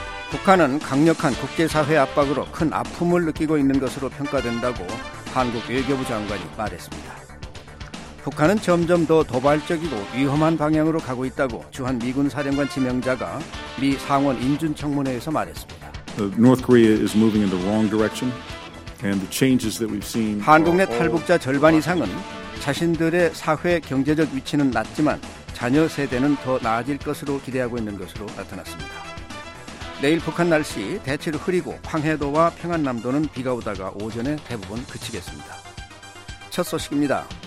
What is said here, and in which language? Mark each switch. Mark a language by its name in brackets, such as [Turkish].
[Korean] 북한은 강력한 국제사회 압박으로 큰 아픔을 느끼고 있는 것으로 평가된다고 한국 외교부 장관이 말했습니다. 북한은 점점 더 도발적이고 위험한 방향으로 가고 있다고 주한 미군 사령관 지명자가 미 상원 인준청문회에서 말했습니다. [English] North Korea is moving in the wrong direction, and the changes that we've seen. [Korean] 한국 내 탈북자 절반 이상은 자신들의 사회 경제적 위치는 낮지만 자녀 세대는 더 나아질 것으로 기대하고 있는 것으로 나타났습니다. 내일 북한 날씨 대체로 흐리고 황해도와 평안남도는 비가 오다가 오전에 대부분 그치겠습니다. 첫 소식입니다.